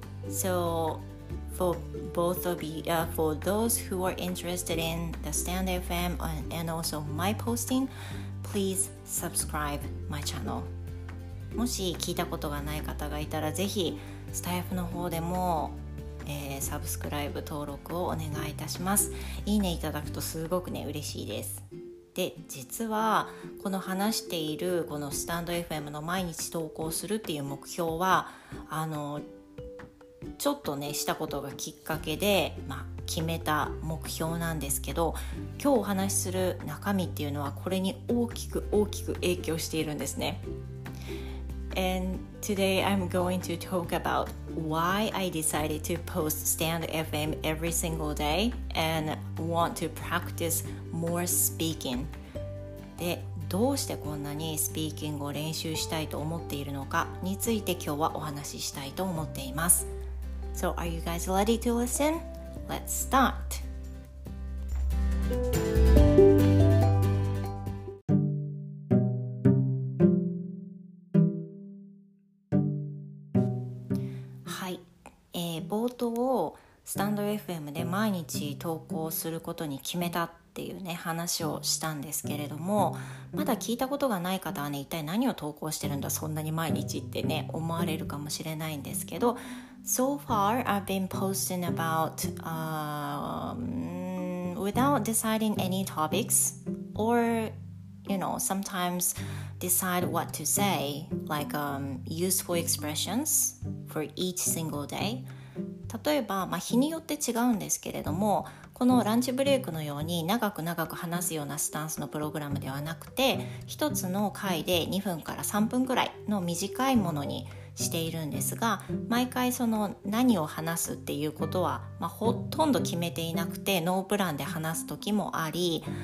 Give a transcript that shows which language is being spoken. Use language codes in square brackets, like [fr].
[en] So for both of you, for those who are interested in the Stand FM and also my posting, please subscribe my channel. [ja] もし聞いたことがない方がいたら、ぜひスタイフの方でも、サブスクライブ登録をお願いいたします。いいねいただくとすごくね嬉しいです。で、実はこの話しているこのスタンド FM の毎日投稿するっていう目標は、ちょっとねしたことがきっかけで、まあ、決めた目標なんですけど、今日お話しする中身っていうのはこれに大きく大きく影響しているんですね。 [en] And today I'm going to talk about why I decided to post Stand FM every single day and want to practiceMore speaking. [ja] で、どうしてこんなにスピーキングを練習したいと思っているのかについて今日はお話ししたいと思っています。 [en] So are you guys ready to listen? Let's start! [ja] はい、冒頭をスタンド FM で毎日投稿することに決めたっていうね話をしたんですけれども、まだ聞いたことがない方はね、一体何を投稿してるんだそんなに毎日ってね思われるかもしれないんですけど、 [en] So far I've been posting about、without deciding any topics or you know sometimes decide what to say like、useful expressions for each single day。 [ja] 例えば、まあ、日によって違うんですけれども、このランチブレイクのように長く長く話すようなスタンスのプログラムではなくて、一つの回で2分から3分くらいの短いものにしているんですが、毎回その何を話すっていうことは、まあ、ほとんど決めていなくて、ノープランで話す時もあり、